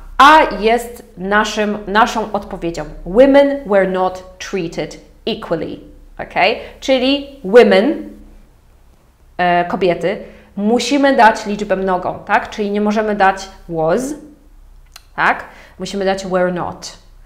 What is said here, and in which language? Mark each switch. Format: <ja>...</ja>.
<pl>A jest naszą odpowiedzią.</pl> <en>Women were not treated equally.</en> <pl>Ok, czyli women, kobiety, musimy dać liczbę mnogą, tak? Czyli nie możemy dać was, tak? Musimy dać were not.</pl>